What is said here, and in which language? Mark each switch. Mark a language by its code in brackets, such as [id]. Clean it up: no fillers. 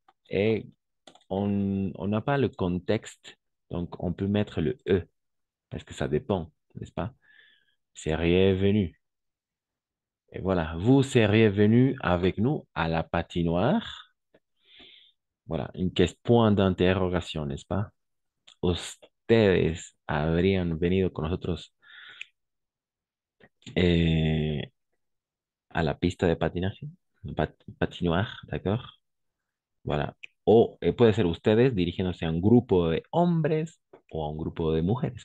[fr] Et on n'a pas le contexte, donc on peut mettre le e, parce que ça dépend, n'est-ce pas? Seriez venu. Et voilà, vous seriez venu avec nous à la patinoire. Voilà, une question, point d'interrogation, n'est-ce pas? [es] Ustedes habrían venido con nosotros. [fr] À la piste de patinage, patinoire, d'accord? Voilà. [es] O, et puede ser ustedes dirigiéndose a un grupo de hombres o a un grupo de mujeres.